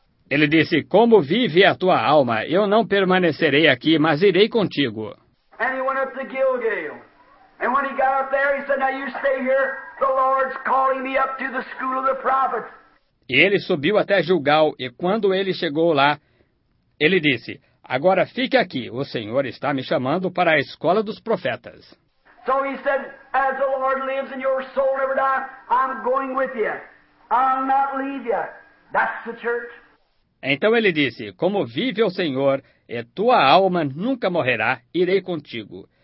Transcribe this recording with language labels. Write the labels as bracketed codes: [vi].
[pt] Ele disse, como vive a tua alma? Eu não permanecerei aqui, mas irei contigo. [en] And he went up to Gilgal. And when he got up there, he said, now you stay here. The Lord's calling me up to the school of the prophets. [pt] E ele subiu até Gilgal, e quando ele chegou lá, ele disse, agora fique aqui, o Senhor está me chamando para a escola dos profetas. [en] So he said, as the Lord lives and your soul never die, I'm going with you. I'll not leave you. That's the church. [pt] Então ele disse, como vive o Senhor, e tua alma nunca morrerá, irei contigo.